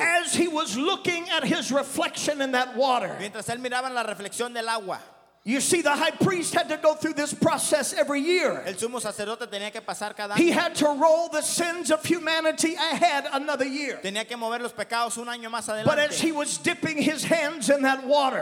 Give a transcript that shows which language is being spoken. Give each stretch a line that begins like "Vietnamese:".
English: As he was looking at his reflection in that water.
Spanish: Mientras él miraba en la reflexión del agua.
English: You see, the high priest had to go through this process every year.
Spanish: El sumo sacerdote tenía que pasar cada año.
English: He had to roll the sins of humanity ahead another year.
Spanish: Tenía que mover los pecados un año más adelante.
English: But as he was dipping his hands in that water,